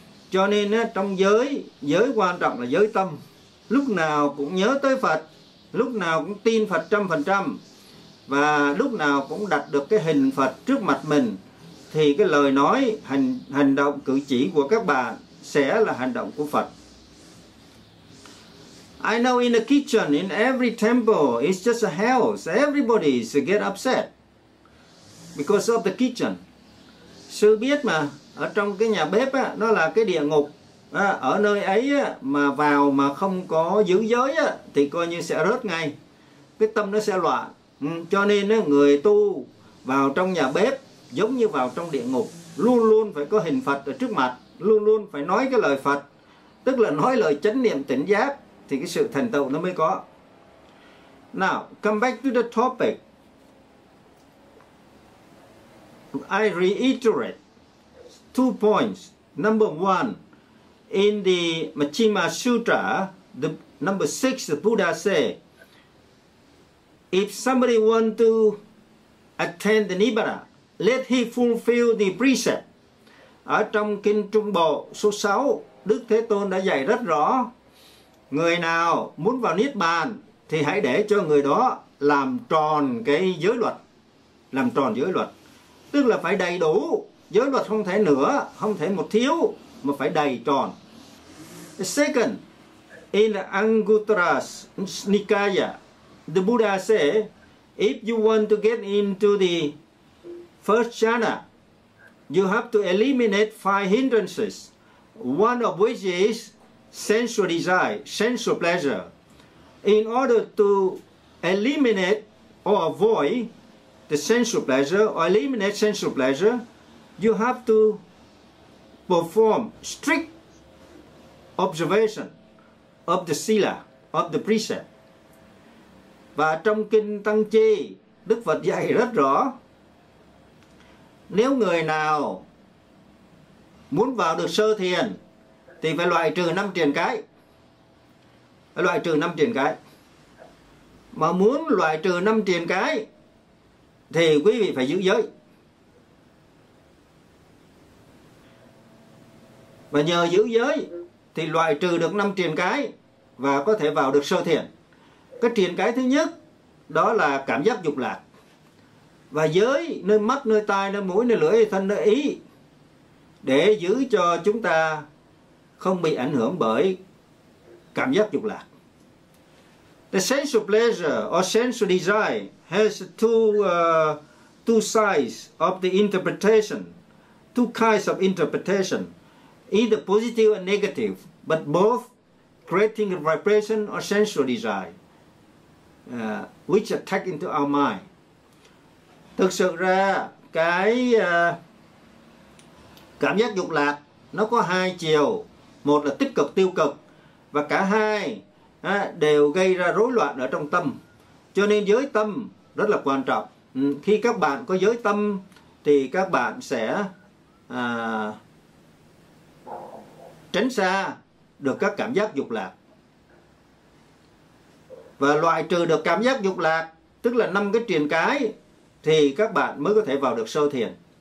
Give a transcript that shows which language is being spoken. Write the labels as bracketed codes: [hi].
[vi] Cho nên trong giới quan trọng là giới tâm. Lúc nào cũng nhớ tới Phật, lúc nào cũng tin Phật 100%, và lúc nào cũng đặt được cái hình Phật trước mặt mình, thì cái lời nói, hành động, cử chỉ của các bạn sẽ là hành động của Phật. [en] I know in the kitchen, in every temple, it's just a hell. So everybody get upset because of the kitchen. [vi] Sư biết mà, ở trong cái nhà bếp á, nó là cái địa ngục. Ở nơi ấy á, mà vào mà không có giữ giới á, thì coi như sẽ rớt ngay. Cái tâm nó sẽ loạn. Cho nên á, người tu vào trong nhà bếp giống như vào trong địa ngục. Luôn luôn phải có hình Phật ở trước mặt. Luôn luôn phải nói cái lời Phật. Tức là nói lời chánh niệm tỉnh giác. Thì cái sự thành tựu nó mới có. [en] Now, come back to the topic. I reiterate two points Number one, in the Majjhima Sutra, the number six, the Buddha say, if somebody want to attain the Nibbana, let he fulfill the precept. [vi] Ở trong Kinh Trung Bộ số 6, Đức Thế Tôn đã dạy rất rõ, người nào muốn vào Niết Bàn thì hãy để cho người đó làm tròn cái giới luật. Làm tròn giới luật, tức là phải đầy đủ, giới luật không thể nửa, không thể một thiếu, mà phải đầy tròn. [en] The second, in Anguttara Nikaya, the Buddha say, if you want to get into the first jhana, you have to eliminate five hindrances. One of which is sensual desire, sensual pleasure. In order to eliminate or avoid the sensual pleasure or eliminate sensual pleasure, you have to perform strict observation of the sila, of the precept. [vi] Và trong Kinh Tăng Chi, Đức Phật dạy rất rõ, nếu người nào muốn vào được sơ thiền thì phải loại trừ năm triền cái. Loại trừ năm triền cái. Mà muốn loại trừ năm triền cái thì quý vị phải giữ giới. Và nhờ giữ giới thì loại trừ được năm triền cái và có thể vào được sơ thiền. Cái triền cái thứ nhất đó là cảm giác dục lạc. Và giới nơi mắt, nơi tai, nơi mũi, nơi lưỡi, nơi thân, nơi ý, để giữ cho chúng ta không bị ảnh hưởng bởi cảm giác dục lạc. [en] The sense of pleasure or sense of desire has two sides of the interpretation, two kinds of interpretation, either positive or negative, but both creating a vibration or sensual desire which attack into our mind. [vi] Thực sự ra cái cảm giác dục lạc nó có hai chiều, một là tích cực tiêu cực, và cả hai đều gây ra rối loạn ở trong tâm. Cho nên giới tâm rất là quan trọng. Khi các bạn có giới tâm thì các bạn sẽ tránh xa được các cảm giác dục lạc và loại trừ được cảm giác dục lạc, tức là năm cái triền cái, thì các bạn mới có thể vào được sơ thiền.